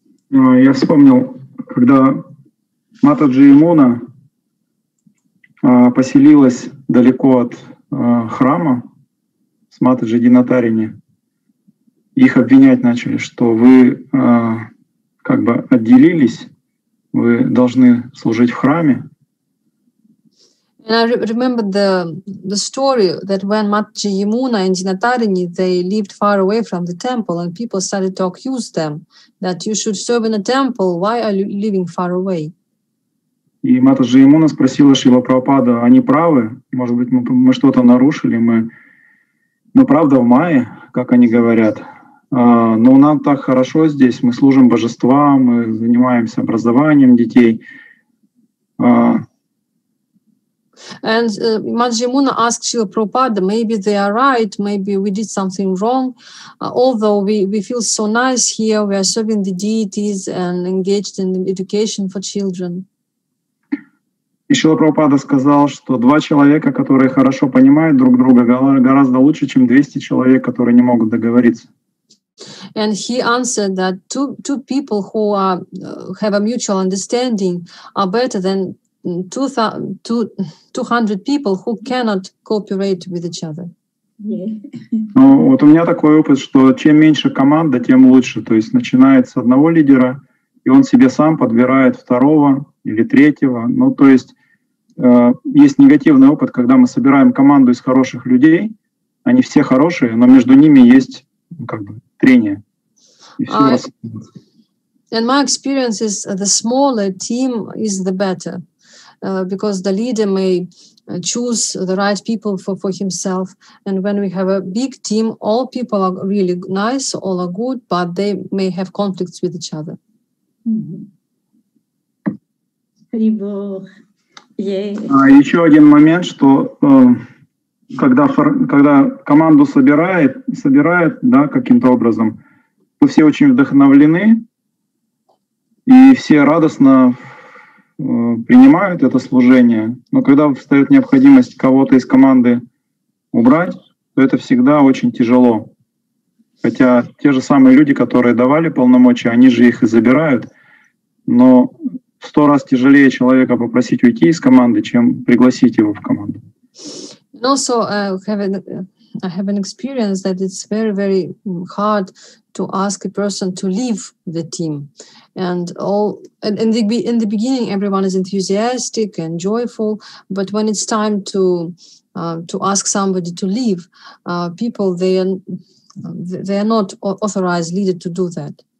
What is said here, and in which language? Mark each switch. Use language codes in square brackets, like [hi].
[ru] Я вспомнил, когда Матаджи Ямуна поселилась далеко от храма с Матаджи Динатарини, их обвинять начали, что вы как бы отделились, вы должны служить в храме. [en] And I remember the story that when Matji Yamuna and Dinatarini, they lived far away from the temple and people started to accuse them that you should serve in a temple, why are you living far away? [ru] И Матаджи Ямуна спросила Шрила Прабхупада, они правы, может быть, мы что-то нарушили, мы правда в мае, как они говорят, но нам так хорошо здесь, мы служим божествам, мы занимаемся образованием детей. [en] And Матаджи Ямуна asked Шрила Прабхупада, maybe they are right, maybe we did something wrong, although we feel so nice here, we are serving the deities and engaged in education for children. [ru] И Шрила Прабхупада сказал, что два человека, которые хорошо понимают друг друга, гораздо лучше, чем 200 человек, которые не могут договориться. [en] And he answered that two people who have a mutual understanding are better than 200 people who cannot cooperate with each other. Yeah. [ru] Ну, вот у меня такой опыт, что чем меньше команда, тем лучше. То есть начинает с одного лидера, и он себе сам подбирает второго или третьего. Ну, то есть есть негативный опыт, когда мы собираем команду из хороших людей, они все хорошие, но между ними есть как бы трение. [en] And my experience is the smaller team is the better. Because the leader may choose the right people for himself. And when we have a big team, all people are really nice, all are good, but they may have conflicts with each other. Mm-hmm. Yeah. [ru] Еще один момент, что когда команду собирает да, каким-то образом, то все очень вдохновлены и все радостно принимают это служение, но когда встает необходимость кого-то из команды убрать, то это всегда очень тяжело. Хотя те же самые люди, которые давали полномочия, они же их и забирают, но в 100 раз тяжелее человека попросить уйти из команды, чем пригласить его в команду. [en] And also, I have an experience that it's very, very hard to ask a person to leave the team. And all in the beginning, everyone is enthusiastic and joyful. But when it's time to ask somebody to leave, people they are not authorized leader to do that.